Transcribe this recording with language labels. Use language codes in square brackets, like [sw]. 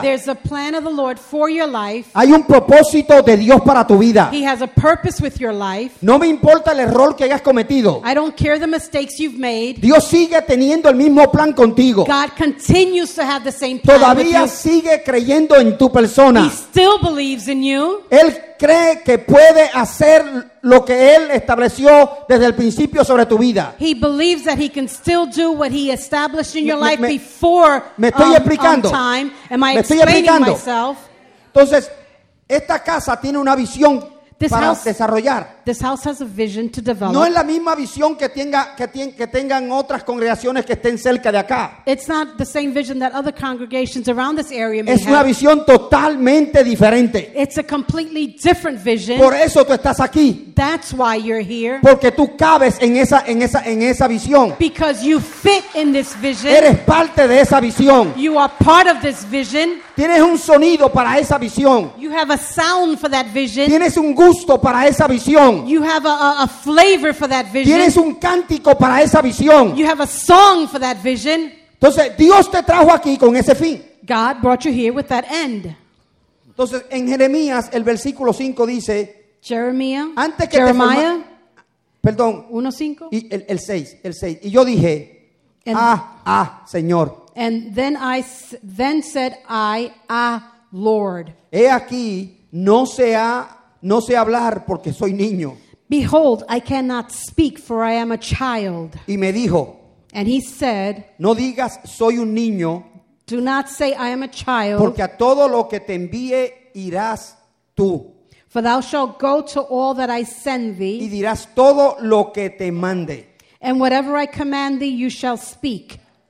[en] There's a plan of the Lord for your life. [es] Hay un propósito de Dios para tu vida. [en] He has a purpose with your life. [es] No me importa el error que hayas cometido. [en] I don't care the mistakes you've made. [es] Dios sigue teniendo el mismo plan contigo. [en] God continues to have the same plan. [es] Todavía [en] with you. [es] Sigue creyendo en tu persona. [en] He still believes in you. [es] Él cree que puede hacer lo que Él estableció desde el principio sobre tu vida. [en] He believes that he can still do what he established in your life before [es] me estoy explicando. [en] Time. Am I explaining myself? [es] Entonces, esta casa tiene una visión this para house, desarrollar. [en] This house has a vision to develop. [es] No es la misma visión que tenga que tengan otras congregaciones que estén cerca de acá. [en] It's not the same vision that other congregations around this area may have. [es] Es una visión totalmente diferente. [en] It's a completely different vision. [es] Por eso tú estás aquí. [en] That's why you're here. [es] Porque tú cabes en esa visión. [en] Because you fit in this vision. [es] Eres parte de esa visión. [en] You are part of this vision. [es] Tienes un sonido para esa visión. [en] You have a sound for that vision. [es] Tienes un gusto para esa visión. [en] You have a flavor for that vision. [es] Tienes un cántico para esa visión. [en] You have a song for that vision. [es] Entonces, Dios te trajo aquí con ese fin. [en] God brought you here with that end. [es] Entonces, en Jeremías, el versículo 5 dice, [en] Jeremiah, [es] antes que [en] Jeremiah, [es] perdón, 1:5, y el 6, y yo dije, [en] and, [es] Señor. [en] And then I then said I, Lord. [es] He aquí, no sé hablar porque soy niño. [en] Behold, I cannot speak for I am a child. [es] Y me dijo, [en] and he said, [es] no digas soy un niño. [en] Do not say I am a child. [es] Porque a todo lo que te envíe irás tú. [en] For thou shalt go to all that I send thee. [es] Y dirás todo lo que te mande. [en] And whatever I command thee, you shall speak.